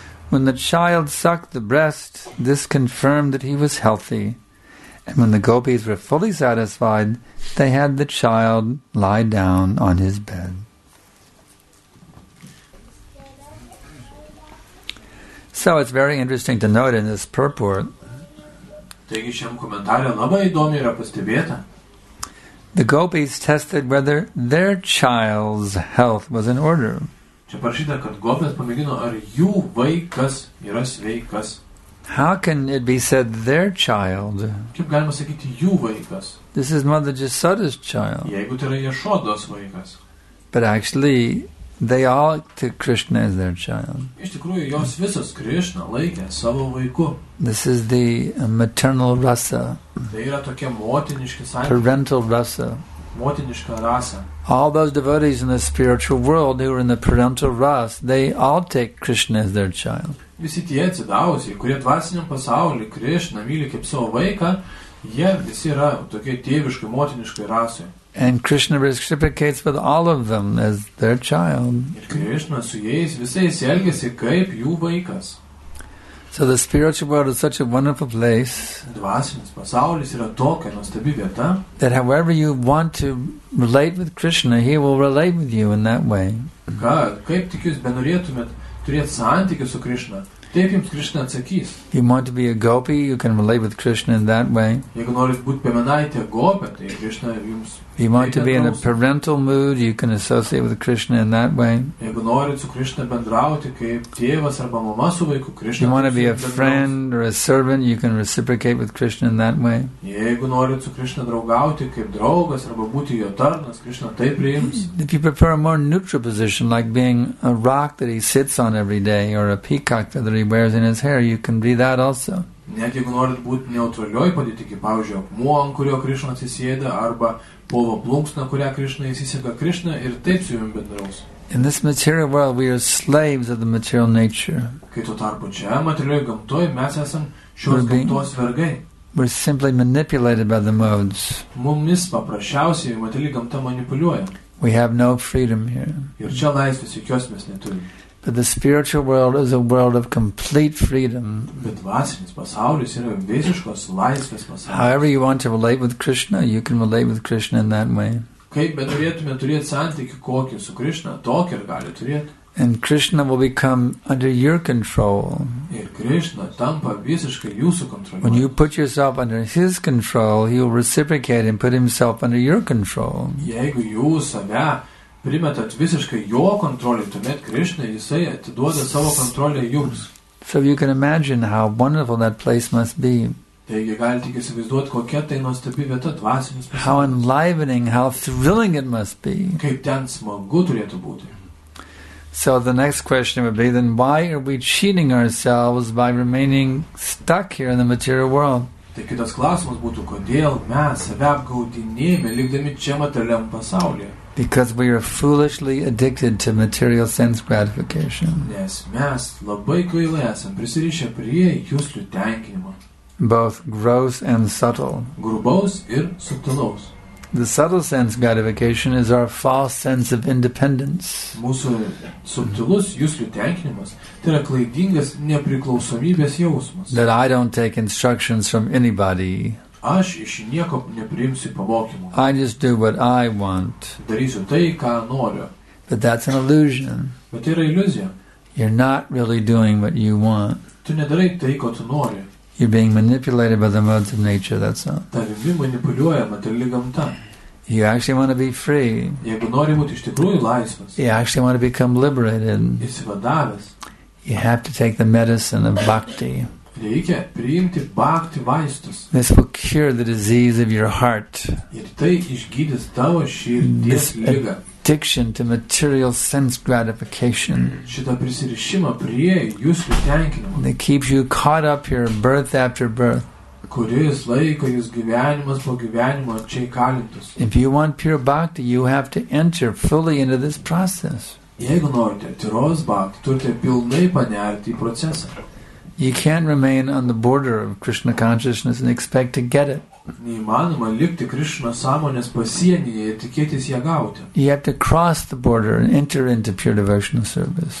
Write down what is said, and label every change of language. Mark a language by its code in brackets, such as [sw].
[en] When the child sucked the breast, this confirmed that he was healthy. And when the gopis were fully satisfied, they had the child lie down on his bed. So it's very interesting to note in this purport. [lt] Taigi, šiam komentarė labai įdomi yra pastebėta. [en] The gopis tested whether their child's health was in order. [lt] Čia parašyta, kad gopis pamėgino, ar jų vaikas yra sveikas. [en] How can it be said their child? [lt] Kaip galima sakyti jų vaikas? [en] This is Mother Jasoda's child. [lt] Jeigu tai yra Jasodos vaikas. [en] But actually, they all took Krishna as their child. [lt] Iš tikrųjų, jos visos Krishna laikė savo vaiku. [en] This is the maternal rasa. [lt] Tai yra tokia motiniška santykiai. [en] Parental rasa. [lt] Motiniška rasa. [en] All those devotees in the spiritual world who are in the parental rasa, they all take Krishna as their child. [lt] Visi tie atsidavusiai, kurie dvasiniam pasaulyje Krishna myli kaip savo vaiką, jie visi yra tokie tėviškai, motiniškai rasai. [en] And Krishna reciprocates with all of them as their child. [lt] Ir Krishna su jais visais elgiasi kaip jų vaikas. [en] So the spiritual world is such a wonderful place. [lt] Dvasinis pasaulis yra tokia nuostabi vieta. [en] That however you want to relate with Krishna, he will relate with you in that way. [lt] Kad, kaip tik jūs benorėtumėt turėti santykį su Krishna, taip jums Krishna atsakys. [en] You want to be a gopi, you can relate with Krishna in that way. [lt] Jeigu norit būti piemenaitė gopė, tai Krishna jums... [en] You want to be in a parental mood, you can associate with Krishna in that way. [lt] Jeigu norit su Krishna bendrauti kaip tėvas arba mama su vaiku, Krishna... [en] You want to be a friend or a servant, you can reciprocate with Krishna in that way. [lt] Jeigu norit su Krishna draugauti kaip draugas arba būti jo tarnas, Krishna taip priims. [en] If you prefer a more neutral position, like being a rock that he sits on every day, or a peacock feather that he wears in his hair, you can be that also. [lt] Net jeigu norit būti neutralioj padėti, kaip, pavyzdžiui, akmuo, ant kurio Krishna atsisėda, arba... Povo plunksna, kurią Krishna įsisėka Krishna ir taip su jums bendraus. [en] In this material world, we are slaves of the material nature. [lt] Kai tuo tarpu čia, materialioje gamtoje, mes esam šios gamtos vergai. [en] We're simply manipulated by the modes. [lt] Mumis paprasčiausiai materialioje gamta manipuliuoja. [en] We have no freedom here. [lt] Ir čia laisvės, jokios mes neturim. [en] But the spiritual world is a world of complete freedom. [lt] Bet dvasinis pasaulis yra visiškos laisvės pasaulis. [en] However you want to relate with Krishna, you can relate with Krishna in that way. [lt] Kaip benorėtume turėti santykį kokį su Krishna, tokį ir gali turėti. [en] And Krishna will become under your control. [lt] Ir Krishna tampa visiškai jūsų kontrolė. [en] When you put yourself under his control, he will reciprocate and put himself under your control. [lt] Jeigu jūs save primetat visiškai jo kontrolį, tuomet Krishna, jisai atiduoda savo kontrolę jums. [en] So you can imagine how wonderful that place must be. [lt] Taigi gali tik įsivaizduoti, kokia tai nuostabi vieta dvasinis pasaulis. [en] How enlivening, how thrilling it must be. [lt] Kaip ten smagu turėtų būti. [en] So the next question would be, then why are we cheating ourselves by remaining stuck here in the material world? [lt] Tai kitas klausimas būtų, kodėl mes save apgaudinėjame, likdami čia materialiam pasaulyje. [en] Because we are foolishly addicted to material sense gratification. [lt] Nes mes labai kvailai esam prisirišę prie juslių tenkinimo. [en] Both gross and subtle. [lt] Grubaus ir subtilaus. [en] The subtle sense gratification is our false sense of independence. [lt] Mūsų subtilus juslių tenkinimas tai yra klaidingas nepriklausomybės jausmas. [en] That I don't take instructions from anybody. [lt] Aš iš nieko nepriimsiu pamokymų. [en] I just do what I want. [lt] Darysiu tai, ką noriu. [en] But that's an illusion. [lt] Bet tai yra iliuzija. [en] You're not really doing what you want. [lt] Tu nedarai tai, ko tu nori. [en] You're being manipulated by the modes of nature, that's all. [lt] Tavimi manipuliuoja materialia gamta. [en] You actually want to be free. [lt] Jeigu nori būti iš tikrųjų laisvas. [en] You actually want to become liberated. [lt] Išsivadavęs. [en] You have to take the medicine of bhakti. [lt] Reikia priimti bhakti vaistus. [en] This will cure the disease of your heart. [lt] Ir tai išgydys tavo širdies ligą. [en] Addiction to material sense gratification. [lt] Šitą prisirišimą prie jūsų tenkinimo. [en] That keeps you caught up here birth after birth. [lt] Kuris laiko jūs gyvenimas po gyvenimo čia įkalintus. [en] If you want pure bhakti, you have to enter fully into this process. [lt] Jeigu norite tyros bhakti, turite pilnai panerti į procesą. [en] You can't remain on the border of Krishna consciousness and expect to get it. [lt] Neįmanoma likti Krishna sąmonės pasienyje ir tikėtis ją gauti. [en] You have to cross the border and enter into pure devotional service.